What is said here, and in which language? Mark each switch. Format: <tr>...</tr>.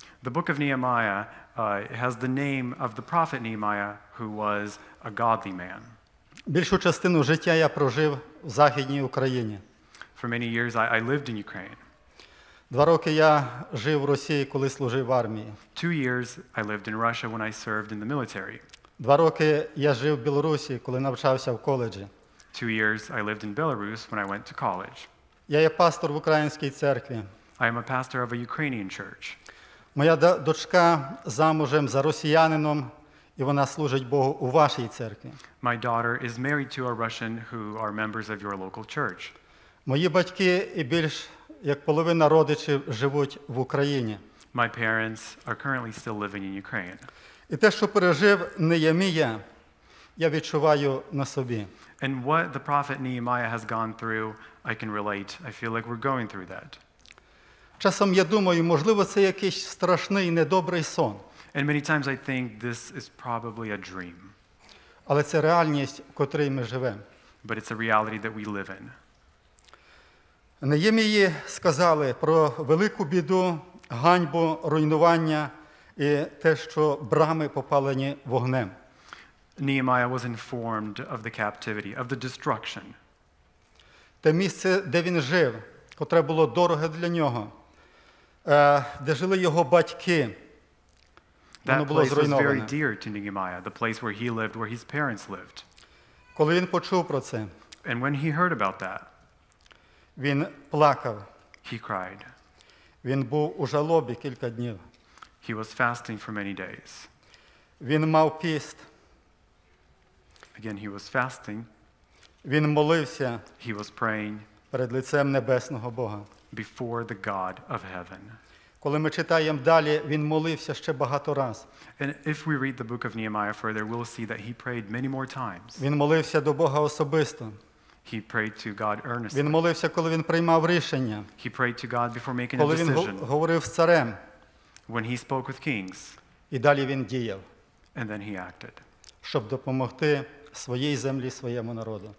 <en>The book of Nehemiah has the name of the prophet Nehemiah, who was a godly man.</en> <uk>Більшу частину життя я прожив в Західній Україні.</uk> <en>For many years I lived in Ukraine.</en> <uk>2 роки я жив в Росії, коли служив в армії.</uk> <en>2 years I lived in Russia when I served in the military.</en> <uk>2 роки я жив в Білорусі, коли навчався в коледжі.</uk> <en>2 years I lived in Belarus when I went to college.</en> <uk>Я є пастор в українській церкві.</uk> <en>I am a pastor of a Ukrainian church.</en> <uk>Моя дочка замужем за росіянином, і вона служить Богу у вашій церкві.</uk> <en>My daughter is married to a Russian who are members of your local church.</en> <uk>Мої батьки і більш як половина родичів живуть в Україні.</uk> <en>My parents are currently still living in Ukraine.</en> <uk>І те, що пережив Неємія, я відчуваю на собі.</uk> <en>And what the prophet Nehemiah has gone through, I can relate. I feel like we're going through that.</en> <uk>Часом я думаю, можливо, це якийсь страшний, недобрий сон.</uk> <en>And many times I think this is probably a dream.</en> <uk>Але це реальність, в котрій ми живемо.</uk> <en>But it's a reality that we live in.</en> <uk>Неємії сказали про велику біду, ганьбу, руйнування, і те, що брами попалені вогнем.</uk> <en>Nehemiah was informed of the captivity, of the destruction.</en> <uk>Те місце, де він жив, котре було дороге для нього, де жили його батьки, воно було зруйноване.</uk> <en>That place was very dear to Nehemiah, the place where he lived, where his parents lived.</en> <uk>Коли він почув про це,</uk> <en>and when he heard about that,</en> <uk>він плакав.</uk> <en>He cried.</en> <uk>Він був у жалобі кілька днів.</uk> <en>He was fasting for many days.</en> <uk>Він мав піст.</uk> <en>Again, he was fasting.</en> <uk>Він молився.</uk> <en>He was praying.</en> <uk>Перед лицем небесного Бога.</uk> <en>Before the God of heaven.</en> <uk>Коли ми читаємо далі, він молився ще багато раз.</uk> <en>And if we read the book of Nehemiah further, we'll see that he prayed many more times.</en> <uk>Він молився до Бога особисто.</uk> <en>He prayed to God earnestly.</en> <uk>Він молився, коли він приймав рішення.</uk> <en>He prayed to God before making</en> <uk>коли</uk> <en>a decision.</en> <uk>Коли він говорив з царем.</uk> <en>When he spoke with kings.</en> <uk>І далі він діяв.</uk> <en>And then he acted.</en> <uk>Щоб допомогти своїй землі, своєму народу.</uk>